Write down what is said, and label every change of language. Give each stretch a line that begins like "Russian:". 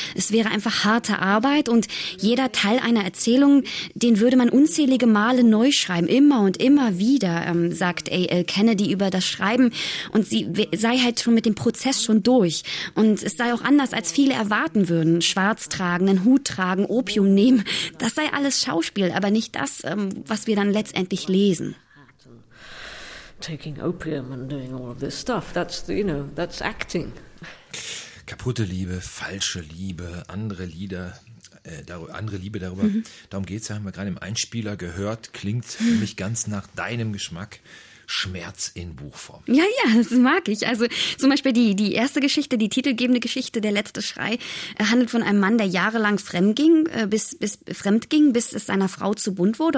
German: Es wäre einfach harte Arbeit und jeder Teil einer Erzählung, den würde man unzählige Male neu schreiben, immer und immer wieder, sagt A.L. Kennedy über das Schreiben, und sie sei halt schon mit dem Prozess schon durch und es sei auch anders, als viele erwarten würden, schwarz tragen, einen Hut tragen, Opium nehmen, das sei alles Schauspiel, aber nicht das, was wir dann letztendlich lesen.
English: Taking opium and doing all of this stuff. That's, you know, that's acting.
German: Kaputte Liebe, falsche Liebe, andere Lieder, andere Liebe darüber. Mhm. Darum geht's ja, haben wir gerade im Einspieler gehört. Klingt für mich ganz nach deinem Geschmack. Schmerz in Buchform. Ja, ja, das mag ich. Also zum Beispiel die erste Geschichte, die titelgebende Geschichte, Der letzte Schrei, handelt von einem Mann, der jahrelang fremdging, bis es seiner Frau zu bunt wurde.